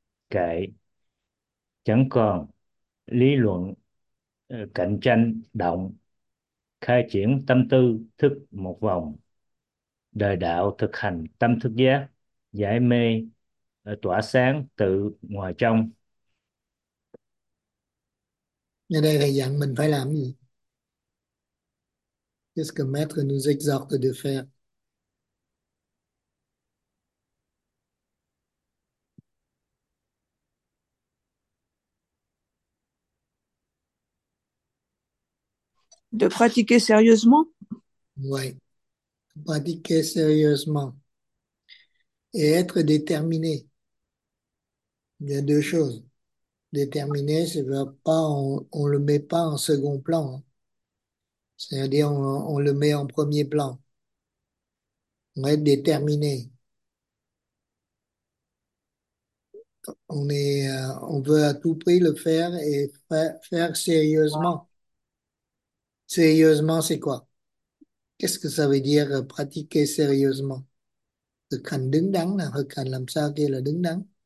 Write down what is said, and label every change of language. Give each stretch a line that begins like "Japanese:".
Vietnamese: Kệ: chẳng còn lý luận cạnh tranh động, khai triển tâm tư thức một vòng. Đời đạo thực hành tâm thức giác, giải mê tỏa sáng từ ngoài trong. Nên đây thầy dặn mình phải làm gì?
French: Qu'est-ce que maître nous exhorte de faire? De pratiquer sérieusement? Oui, pratiquer sérieusement et être déterminé. Il y a deux choses. Déterminé, ça veut pas, on le met pas en second plan. C'est-à-dire, on le met en premier plan. On est déterminé. On veut à tout prix le faire et faire sérieusement. Sérieusement, c'est quoi? Qu'est-ce que ça veut dire pratiquer sérieusement?
Vietnamese: Thực hành đứng đắn là thực hành làm sao kia là đứng đắn.